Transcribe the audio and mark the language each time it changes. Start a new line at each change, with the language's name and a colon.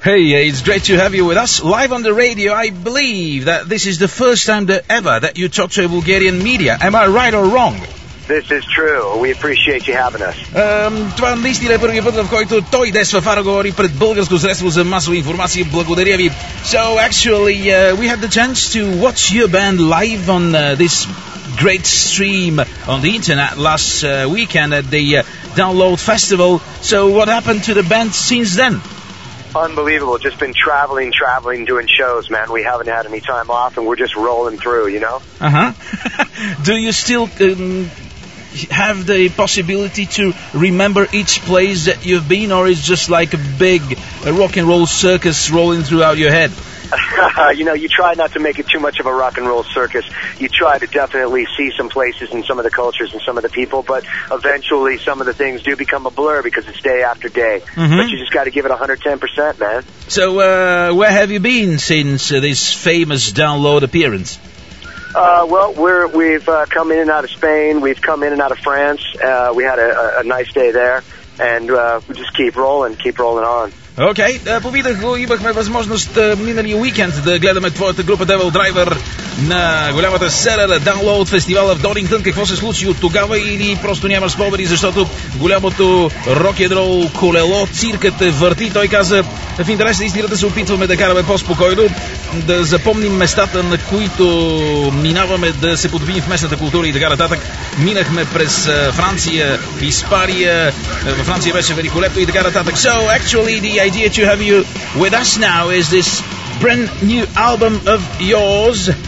English: Hey, it's great to have you with us. Live on the radio, I believe that this is the first time that ever that you talk to a Bulgarian media. Am I right or wrong? This is true. We appreciate you having us.
Bulgarian: Това наистина е първият път, в който той, Дес Фафаро, говори пред българско средство за масова информация. Благодаря ви.
English: So, actually, we had the chance to watch your band live on this great stream on the internet last weekend at the Download Festival. So, what happened to the band since then? Unbelievable. Just been traveling, doing shows, man. We haven't had any time off and we're just rolling through, you know? Uh-huh. Do you still have the possibility to remember each place that you've been, or is just like a big rock and roll circus rolling throughout your head? You know, you try not to make it too much of a rock and roll circus. You try to definitely see some places and some of the cultures and some of the people, but eventually some of the things do become a blur because it's day after day. Mm-hmm. But you just got to give it 110%, man. So where have you been since this famous Download appearance? Well, we've come in and out of Spain, we've come in and out of France, we had a nice day there, and we just keep rolling on.
Bulgarian: Окей, попитах го, имахме възможност миналия уикенд да гледаме твоята група Devil Driver на голямата сцена на Download фестивала в Донингтън. Какво се случи от тогава или просто нямаш спомени, защото голямото рок енд рол колело, циркът върти. Той каза, в интерес на истината се опитваме да караме по-спокойно, да запомним местата, на които минаваме, да се подобим в местната култура и така нататък. Минахме през Франция, Испания, във Франция беше великолепно и така нататък.
English: So, actually, the idea to have you with us now is this brand new album of yours.